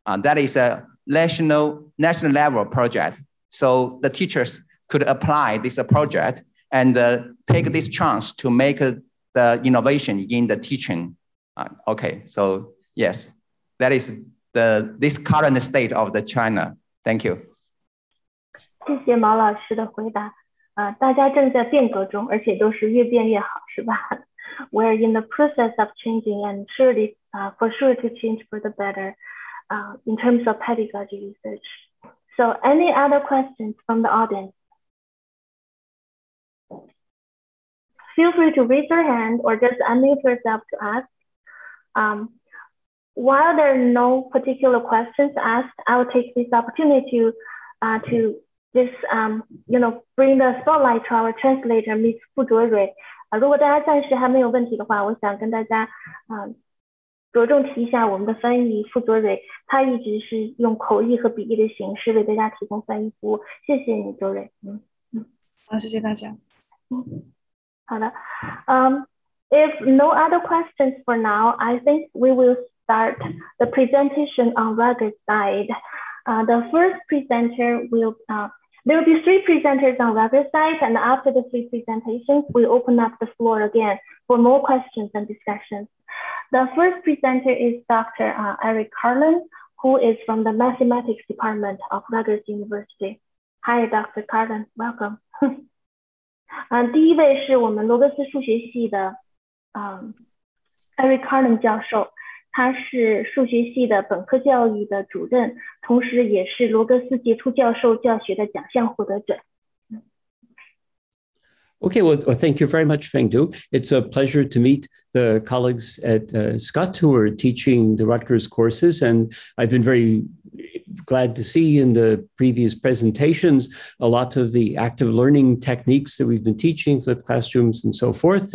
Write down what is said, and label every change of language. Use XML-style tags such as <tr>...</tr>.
<en>That is a national level project. So the teachers could apply this project and take this chance to make the innovation in the teaching. Okay, so yes, that is this current state of the China. Thank you.</en> <zh>谢谢毛老师的回答。大家正在变革中，而且都是越变越好，是吧？</zh> <en>We are in the process of changing and surely, for sure to change for the better, in terms of pedagogy research. So any other questions from the audience? Feel free to raise your hand or just unmute yourself to ask. While there are no particular questions asked, I will take this opportunity to bring the spotlight to our translator, Ms.</en> <zh>傅卓蕊。如果大家暂时还没有问题的话，我想跟大家着重提一下我们的翻译傅卓蕊，他一直是用口译和笔译的形式为大家提供翻译服务。谢谢你，卓蕊。好，谢谢大家。好的。</zh> <en>If no other questions for now, I think we will start the presentation on Rugged Side. The first presenter there will be three presenters on Riverside, and after the three presentations, we open up the floor again for more questions and discussions. The first presenter is Dr. Eric Carlin, who is from the Mathematics Department of Rutgers University. Hi, Dr. Carlin, welcome.</en> <zh>第一位是我们罗格斯数学系的Eric Carlin 教授，他是数学系的本科教育的主任，同时也是罗格斯杰出教授教学的奖项获得者。</zh> <en>Okay, well, thank you very much, Feng Du. It's a pleasure to meet the colleagues at SCUT who are teaching the Rutgers courses. And I've been very glad to see in the previous presentations a lot of the active learning techniques that we've been teaching, flipped classrooms and so forth.</en>